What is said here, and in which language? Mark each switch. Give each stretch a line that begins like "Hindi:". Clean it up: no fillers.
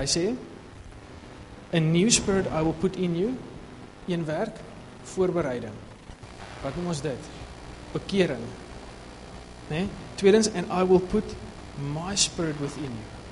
Afrikaans: Hy sê,
English: a new spirit I will put in you.
Afrikaans: Een werk, voorbereiding. Wat noem ons dit? Bekering. Nee?
English: Tweedens, and I will put my spirit within you.